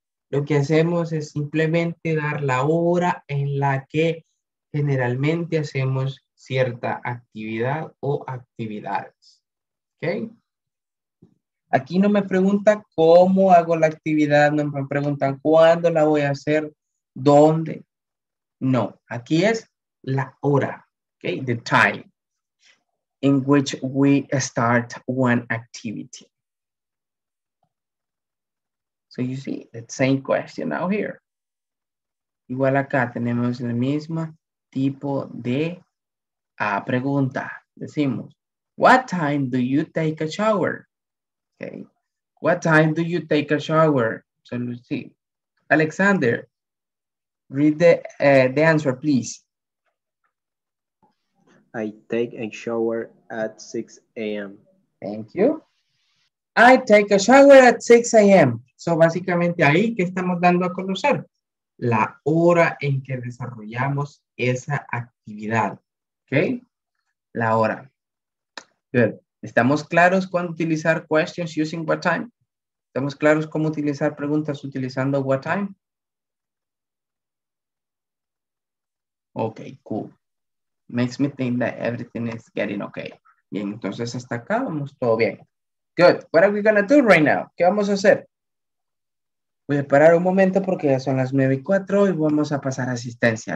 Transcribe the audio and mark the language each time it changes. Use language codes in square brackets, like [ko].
[es] Lo que hacemos es simplemente dar la hora en la que generalmente hacemos cierta actividad o actividades. ¿Okay? Aquí no me pregunta cómo hago la actividad, no me preguntan cuándo la voy a hacer, dónde. No, aquí es la hora, ¿okay? [en] The time in which we start one activity. So you see, the same question now here. [es] Igual acá tenemos el mismo tipo de pregunta. Decimos, what time do you take a shower? Okay. [en] What time do you take a shower? So let's see. Alexander, read the answer, please. I take a shower at 6 a.m. Thank you. I take a shower at 6 a.m. [es] So, básicamente ahí, ¿qué estamos dando a conocer? La hora en que desarrollamos esa actividad. ¿Ok? La hora. Good. ¿Estamos claros cuándo utilizar [en] questions using what time? [es] ¿Estamos claros cómo utilizar preguntas utilizando what time? [en] Ok, cool. Makes me think that everything is getting okay. [es] Bien, entonces hasta acá vamos todo bien. [en] Good. What are we going to do right now? [es] ¿Qué vamos a hacer? Voy a parar un momento porque ya son las 9:04 y vamos a pasar asistencia.